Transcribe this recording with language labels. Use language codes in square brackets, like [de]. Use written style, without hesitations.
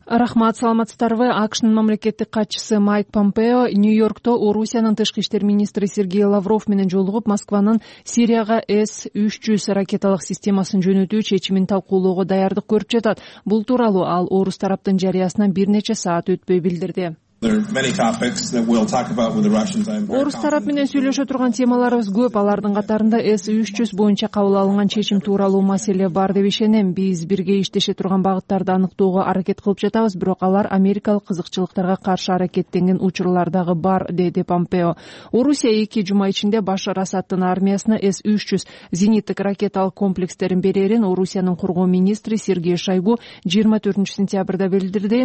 [ky] Рахмат, саламатсыздарбы. АКШнын мамлекеттик катчысы Майк Помпео Нью-Йоркто Орусиянын тышкы иштер министри Сергей Лавров менен жолугуп, Москванын Сирияга S-300 ракеталык системасын жөнөтүү чечимин талкуулоого даярдык көрүп жатат. Бул тууралуу ал орус тараптын жарыясынан бир нече саат өтпөй билдирди. [en] There are many topics that we'll talk about with the Russians. [ky] Орус тарап менен сүйлөшө турган темаларыбыз көп. Алардын катарында S-300 боюнча кабыл алынган чечим тууралуу маселе бар деп ишенем. Биз бирге иштеше турган багыттарды аныктоого аракет кылып жатабыз, бирок алар америкалык кызыкчылыктарга каршы аракеттенген учурлардагы бар, деди Помпео. Орусия 2 жума ичинде Башар Асадтын армиясына S-300 зениттик ракеталык комплекстерин берерин Орусиянын коргоо министри Сергей Шойгу 24 сентябрда билдирди.